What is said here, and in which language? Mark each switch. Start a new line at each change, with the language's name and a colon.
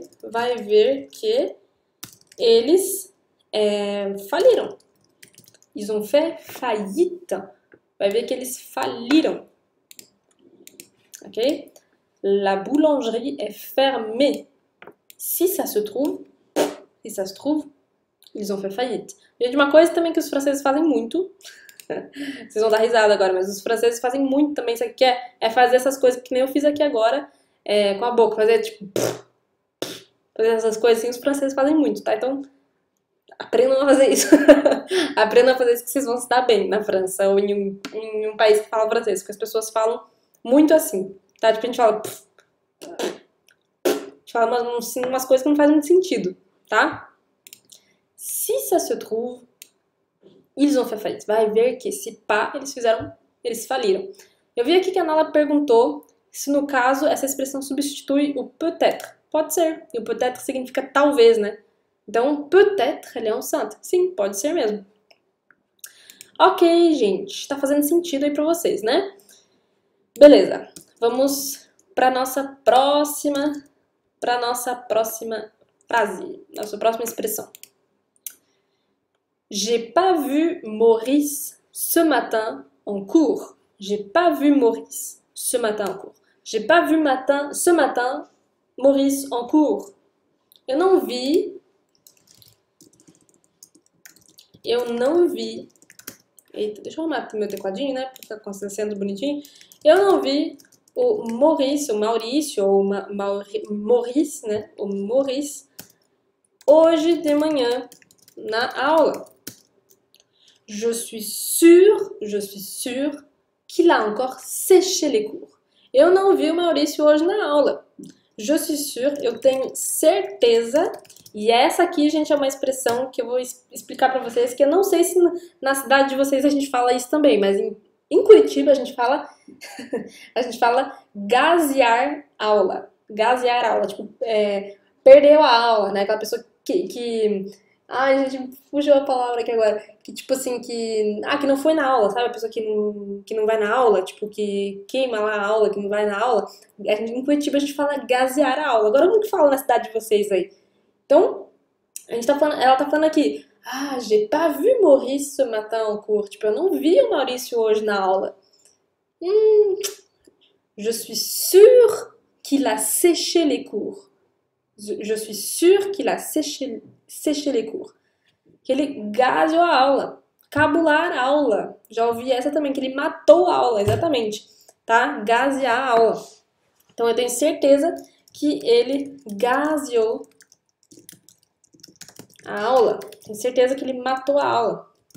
Portuguese: Vai ver que eles faliram.
French: Ils ont fait faillite.
Portuguese: Vai ver que eles faliram. Ok?
French: La boulangerie est fermée. Si ça se trouve, si ça se trouve, ils ont fait faillite.
Portuguese: E de uma coisa também que os franceses fazem muito. Vocês vão dar risada agora, mas os franceses fazem muito também. Isso aqui é fazer essas coisas que nem eu fiz aqui agora. É, com a boca, fazer tipo. Fazer essas coisas assim, os franceses fazem muito, tá? Então, aprendam a fazer isso. Aprendam a fazer isso que vocês vão se dar bem na França ou em um país que fala francês, porque as pessoas falam muito assim, tá? Tipo, a gente fala. A gente fala umas coisas que não fazem muito sentido, tá?
French: Si ça se trouve, ils ont fait faillite.
Portuguese: Vai ver que se pá, eles fizeram. Eles faliram. Eu vi aqui que a Nala perguntou. Se no caso essa expressão substitui o peut-être, pode ser. E o peut-être significa talvez, né? Então, peut-être ele é um santo. Sim, pode ser mesmo. Ok, gente. Tá fazendo sentido aí pra vocês, né? Beleza. Vamos pra nossa próxima. Pra nossa próxima frase. Nossa próxima expressão.
French: J'ai pas vu Maurice ce matin en cours. J'ai pas vu Maurice ce matin en cours. J'ai pas vu matin, ce matin Maurice en cours.
Portuguese: Eu não vi. Eita, deixa eu arrumar meu tecladinho, né? Pra ficar sendo bonitinho. Eu não vi o Maurício, Maurice, né? O Maurice hoje de manhã na aula.
French: Je suis sûr qu'il a encore séché les cours.
Portuguese: Eu não vi o Maurício hoje na aula.
French: Je suis sûr,
Portuguese: eu tenho certeza. E essa aqui, gente, é uma expressão que eu vou explicar para vocês, que eu não sei se na cidade de vocês a gente fala isso também, mas em Curitiba a gente fala gasear aula. Gasear aula, tipo, perdeu a aula, né? Aquela pessoa que Ai, gente, fugiu a palavra aqui agora. Que tipo assim, que. Ah, que não foi na aula, sabe? A pessoa que não vai na aula, tipo, que queima lá a aula, que não vai na aula. A gente, em Curitiba a gente fala gazear a aula. Agora eu nunca falo na cidade de vocês aí. Então, a gente tá falando, ela tá falando aqui. Ah,
French: j'ai pas vu Maurício Matão, curto.
Portuguese: Tipo, eu não vi o Maurício hoje na aula.
French: Je suis sûr qu'il a séché les cours. Je suis sûr qu'il a séché les cours.
Portuguese: Que ele gazeou a aula. Cabular aula. Já ouvi essa também, que ele matou a aula, exatamente. Tá? Gazear a aula. Então, eu tenho certeza que ele gazeou a aula. Tenho certeza que ele matou a aula.